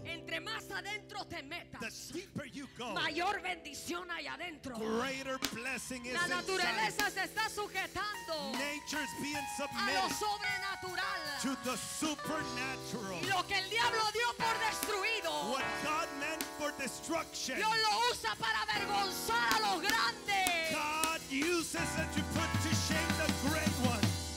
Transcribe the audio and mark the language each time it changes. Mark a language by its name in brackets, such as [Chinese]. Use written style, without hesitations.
[Spanish] Entre más adentro te metas, [English] the deeper you go, [Spanish] mayor bendición hay adentro. [English] Greater blessing is inside. [Spanish] La naturaleza se está sujetando. [English] Nature's being submitted. [Spanish] A lo sobrenatural. [English] To the supernatural. [Spanish] Y lo que el diablo dio por destruido, [English] what God meant for destruction, [Spanish] Dios lo usa para avergonzar a los grandes. [English] God uses it to put to shame the great ones.